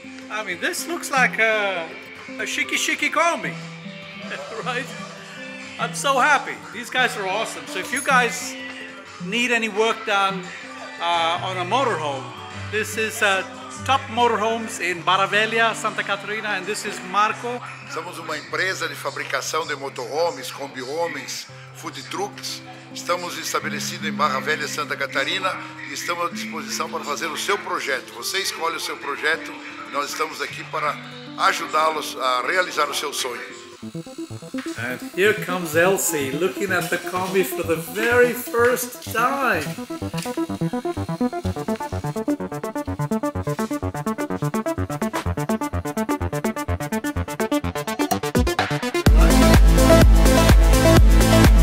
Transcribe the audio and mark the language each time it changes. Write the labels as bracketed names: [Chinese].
[English] I mean, this looks like a shiki shiki Kombi, right? I'm so happy. These guys are awesome. So if you guys need any work done on a motorhome, this is top motorhomes in Barra Velha, Santa Catarina, and this is Marco. [Portuguese] Somos uma empresa de fabricação de motorhomes, combi-homens, food trucks. Estamos estabelecido em Barra Velha, Santa Catarina, e estamos à disposição para fazer o seu projeto. Você escolhe o seu projeto, nós estamos aqui para ajudá-los a realizar o seu sonho. [English] And here comes Elci, looking at the Kombi for the very first time. Hi.